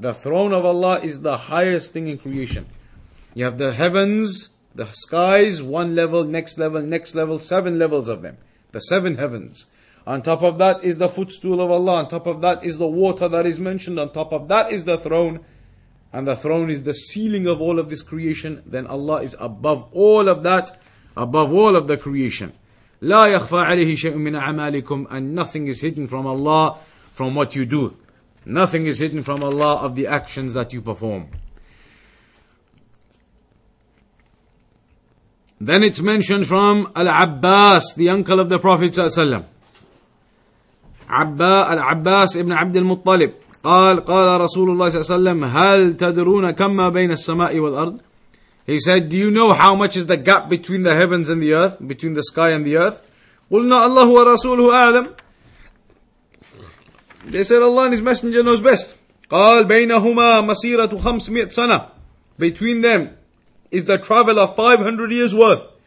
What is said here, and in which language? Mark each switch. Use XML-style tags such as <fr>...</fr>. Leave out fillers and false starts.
<en>The throne of Allah is the highest thing in creation. You have the heavens, the skies, one next level, seven levels of them. The seven heavens. On top of that is the footstool of Allah. On top of that is the water that is mentioned. On top of that is the throne. And the throne is the ceiling of all of this creation. Then Allah is above all of that, above all of the creation.</en> <ar>لا يخفى عليه شيء من أعمالكم.</ar> <en>And nothing is hidden from Allah from what you do. Nothing is hidden from Allah of the actions that you perform. Then it's mentioned from Al-Abbas, the uncle of the Prophet ﷺ. Al-Abbas ibn Abd al-Muttalib.</en> <ar>قال رسول الله صلى الله عليه وسلم هل تدرون كما بين السماء والأرض.</ar> <en>He said, do you know how much is the gap between the heavens and the earth, between the sky and the earth?</en> <ar>قلنا الله ورسوله أعلم.</ar> <en>They said, Allah and His Messenger knows best.</en> <ar>قال بينهما مسيرة 500 سنة.</ar> <en>Between them is the travel of 500 years worth.</en>